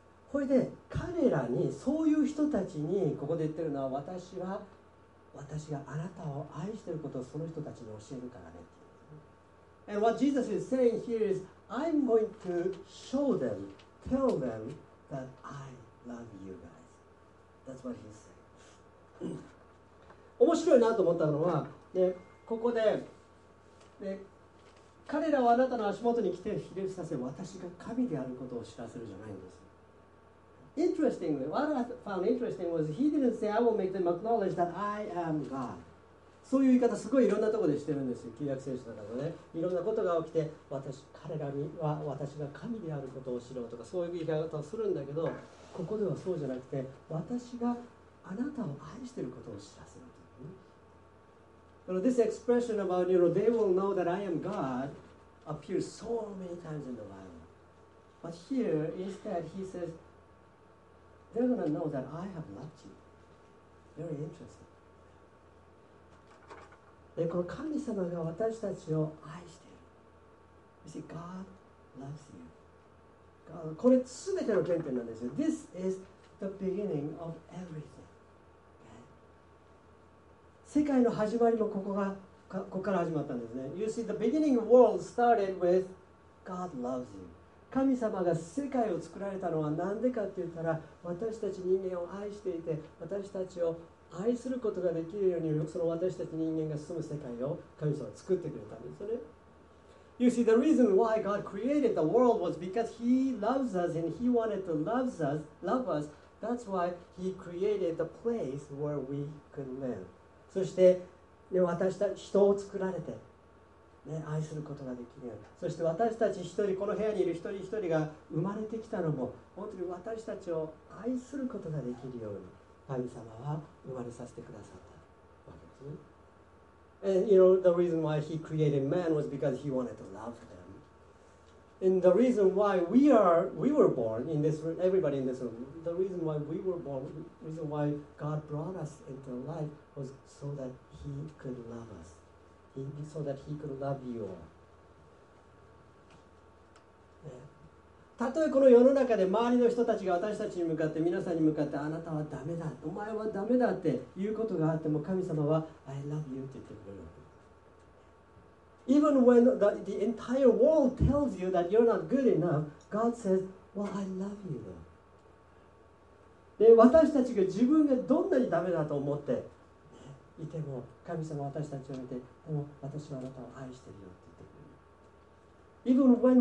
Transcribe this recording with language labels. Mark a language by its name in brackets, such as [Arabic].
[Japanese] これで彼らに、そういう人たちにここで言ってるのは、私があなたを愛していることをその人たちに教えるからね。 [English] And what Jesus is saying here is I'm going to show them, tell them that I love you guys. That's what he's saying. [Japanese] 面白いなと思ったのは、でここ で彼らはあなたの足元に来てひれ伏させ、私が神であることを知らせるじゃないんです。 [English] Interestingly, what I found interesting was he didn't say, I will make them acknowledge that I am God. [Japanese] そういう言い方すごいいろんなところでしてるんですよ、旧約聖書の中で、ね、いろんなことが起きて、彼らには私が神であることを知ろうとか、そういう言い方をするんだけど、ここではそうじゃなくて、私があなたを愛していることを知らせるとか、ね。 [English] This expression about, you know, they will know that I am God appears so many times in the Bible. But here, instead, he says,They're going to know that I have loved you. Very interesting. [Japanese] で、この神様が私たちを愛している。 [English] You see, God loves you. God, [Japanese] これ全ての原点なんですよ。 [English] This is the beginning of everything. [Japanese] 世界の始まりもここから始まったんですね。 [English] You see, the beginning of world started with God loves you. [Japanese] 神様が世界を作られたのは何でかって言ったら、私たち人間を愛していて、私たちを愛することができるように、その私たち人間が住む世界を神様は作ってくれたんですよね。 [English] You see, the reason why God created the world was because He loves us and He wanted to love us. That's why He created the place where we could live. [Japanese] そして、ね、私たち人を作られて、ね、愛することができるように。そして私たち一人、この部屋にいる一人一人が生まれてきたのも、本当に私たちを愛することができるように、神様は生まれさせてくださったわけですね。 [English] And you know, the reason why he created man was because he wanted to love them. And the reason why we were born in this room, everybody in this room, the reason why we were born, the reason why God brought us into life was so that he could love us. So that he could love you all. [Japanese] たとえこの世の中で周りの人たちが私たちに向かって、皆さんに向かって、あなたはダメだ、お前はダメだっていうことがあっても、神様は [English] I love you [Japanese] って言ってくれる。 [English] Even when the entire world tells you that you're not good enough, God says, well, I love you. [Japanese] で、私たちが自分がどんなにダメだと思っていても、神様は私たちを見て、もう私はあなたを愛してるよって言ってくれる。